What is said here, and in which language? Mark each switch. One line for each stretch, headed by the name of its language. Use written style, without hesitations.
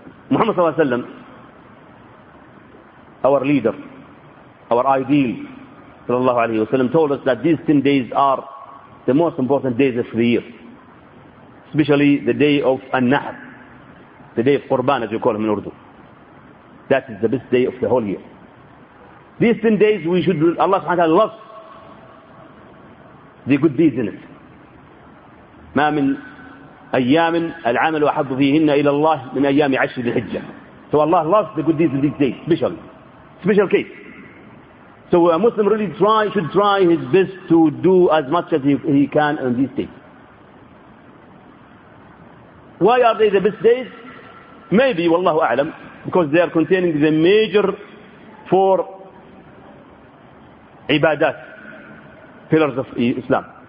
English: Muhammad sallallahu alayhi wa sallam, our leader, our ideal, sallallahu alayhi wa sallam, told us that these 10 days are the most important days of the year, especially the day of An-Nahr, the day of Qurban, as you call them in Urdu. That is the best day of the whole year. These 10 days, we should, Allah subhanahu wa ta'ala loves the good deeds in it.
Arabic: ما من أيام العمل وحب فيهن إلى الله من أيام عشر ذي الحجة.
English: So Allah loves the good deeds in these days, especially. Special case. So a Muslim really should try his best to do as much as he can on these days. Why are they the best days? Maybe, wallahu a'lam, because they are containing the major four ibadat, pillars of Islam.